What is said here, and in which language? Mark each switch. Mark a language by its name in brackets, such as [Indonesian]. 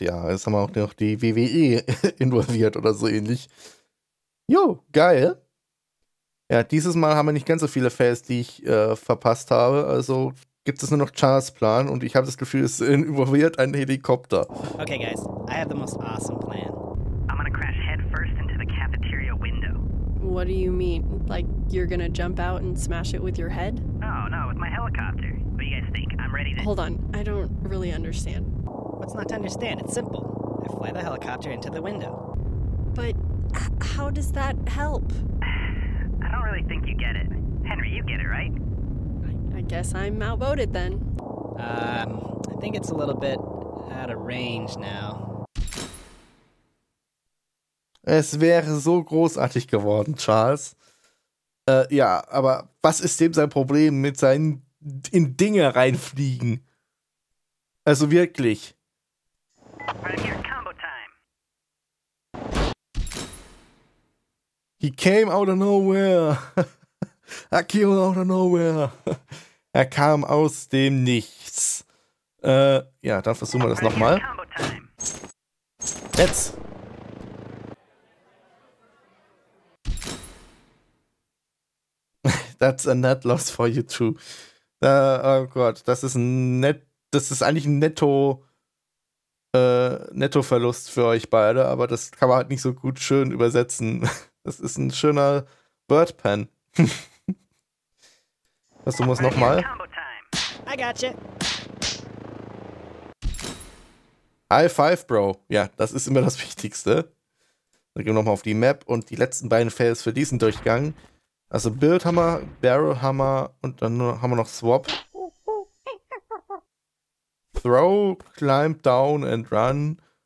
[German] Ja, jetzt haben wir auch noch die WWE involviert oder so ähnlich. Jo, geil. Ja, dieses Mal haben wir nicht ganz so viele Fails, die ich verpasst habe. Also gibt es nur noch Charles' Plan und ich habe das Gefühl, es involviert einen Helikopter. [English] Okay, guys, I have the most awesome plan. I'm gonna crash head first into the cafeteria window. What do you mean? Like, you're gonna jump out and smash it with your head? No, with my helicopter. What do you guys think? I'm ready to... Hold on, I don't really understand. What's not to understand? It's simple. I fly the helicopter into the window. But how does that help? I don't really think you get it. Henry, you get it, right? I guess I'm outvoted then. I think it's a little bit out of range now. [German] Es wäre so großartig geworden, Charles. Ja, aber was ist dem sein Problem mit seinen in Dinge reinfliegen? Also wirklich. [English] Right here, combo time. He came out of nowhere. I came out of nowhere. [German] Er kam aus dem Nichts. Ja, dann versuchen wir das nochmal. Jetzt. [English] That's a net loss for you too. [German] Oh Gott, das ist eigentlich ein Nettoverlust für euch beide, aber das kann man halt nicht so gut schön übersetzen. Das ist ein schöner Wordpen. Was du musst nochmal. [English] I gotcha. High five, Bro. [German] Ja, das ist immer das Wichtigste. Dann gehen wir nochmal auf die Map und die letzten beiden Fails für diesen Durchgang. Also Bildhammer, Barrelhammer und dann haben wir noch Swap. [English] Throw, climb down and run.